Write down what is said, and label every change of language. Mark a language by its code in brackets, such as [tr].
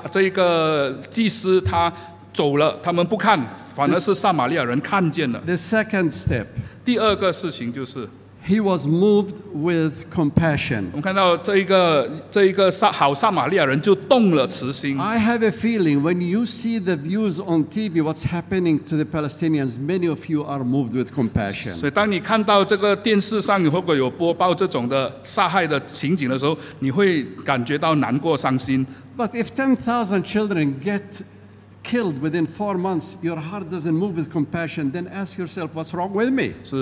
[zh] 当时这个故事里面的这个利未人，还有这个祭司，他。走了，他们不看，反而是撒玛利亚人看见了。 [en] The second step， [zh] 第二个事情就是 [en] ，He was moved with compassion。 [zh] 我们看到这一个好撒玛利亚人就动了慈心。 [en] I have a feeling when you see the views on TV, what's happening to the Palestinians, many of you are moved with compassion。 [zh] 所以当你看到这个电视上如果有播报这种的杀害的情景的时候，你会感觉到难过伤心。 [en] But if 10,000 children get killed within 4 months, your heart doesn't move with compassion, then ask yourself, what's wrong with me?